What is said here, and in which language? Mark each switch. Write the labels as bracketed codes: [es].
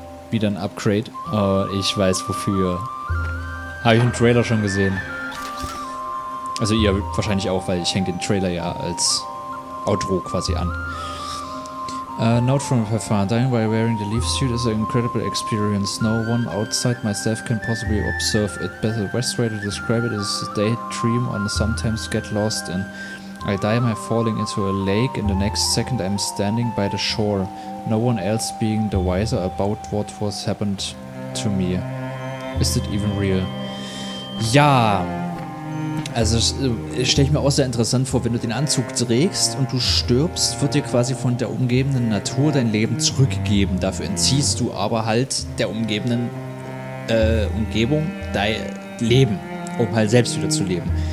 [de] Wieder ein Upgrade. Oh, ich weiß wofür. Habe ich im Trailer schon gesehen. Also ihr wahrscheinlich auch, weil ich hänge den Trailer ja als Outro quasi an. [en] Note from a Pfeffer. Dying while wearing the leaf suit is an incredible experience. No one outside myself can possibly observe it. The best way to describe it is a daydream and sometimes get lost in. I die by falling into a lake and the next second I'm standing by the shore. No one else being the wiser about what was happened to me. Is it even real? [de] Ja. Also stelle ich mir auch sehr interessant vor, wenn du den Anzug trägst und du stirbst, wird dir quasi von der umgebenden Natur dein Leben zurückgegeben. Dafür entziehst du aber halt der umgebenden Umgebung dein Leben, um halt selbst wieder zu leben.